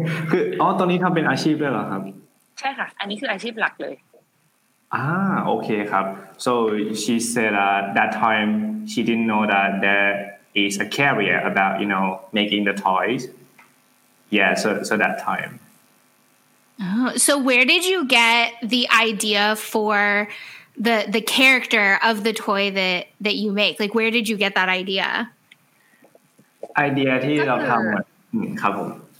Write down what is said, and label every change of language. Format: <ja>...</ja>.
<th>คืออ๋อตอนนี้ทำเป็นอาชีพด้วยเหรอครับ ใช่ค่ะอันนี้คืออาชีพหลักเลย โอเคครับ</th> <en>so she said that time she didn't know that there is a career about you know making the toysYeah, so that time. So where did you get the idea for the character of the toy that you make? Like, where did you get that idea?</en> <th>Idea ที่เราทำครับผม</th>